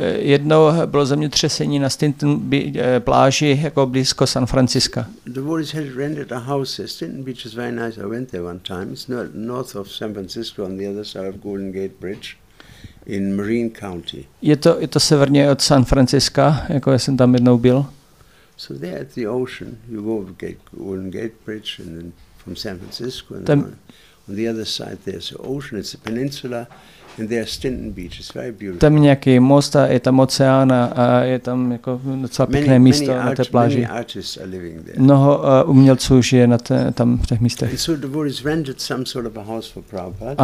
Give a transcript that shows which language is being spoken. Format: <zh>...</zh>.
<cs>Jednou bylo zemětřesení na Stinton Beach pláži, jako blízko San Francisca.</cs> <en>The Warriors had rented a house. Stinton Beach is very nice. I went there one time. It's north of San Francisco, on the other side of Golden Gate Bridge, in Marin County.</en> <cs>Je to severně od San Francisca, jako já jsem tam jednou byl.</cs> <en>So there at the ocean, you go over Golden Gate Bridge, and then from San Francisco, and on the other side there's an ocean, it's a peninsula, and there's Stinton Beach. It's very beautiful.</en> <cs>Tam nějaký most a je tam oceán a je tam jako docela pěkné místo na té pláži.</cs> <en>Many artists are living there.</en> <cs>Mnoho umělců žije tam v těch místech.</cs> <en>And so the Warriors rented some sort of a house for Prabhupada.</en>